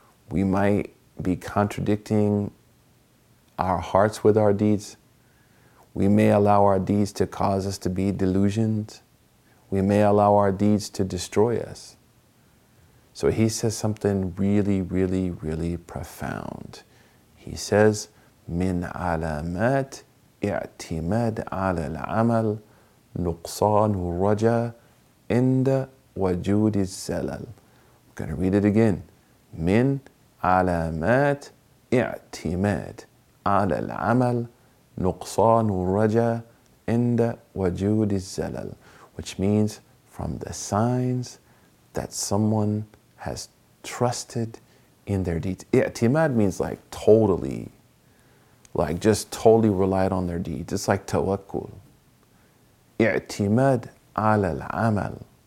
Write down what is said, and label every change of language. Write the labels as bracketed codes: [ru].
[en] We might be contradicting our hearts with our deeds. We may allow our deeds to cause us to be delusioned. We may allow our deeds to destroy us. So he says something really, really, really profound. He says, [ar] من علامات اعتماد على العمل نقصان الرجاء عند وجود الزلل. [en] I'm going to read it again. [ar] من علامات اعتماد على العمل نقصان الرجاء عند وجود الزلل. [en] Which means, from the signs that someone has trusted in their deeds. اعتماد means like totally, like just totally relied on their deeds. It's like توكل. [ar] اعتماد على العمل.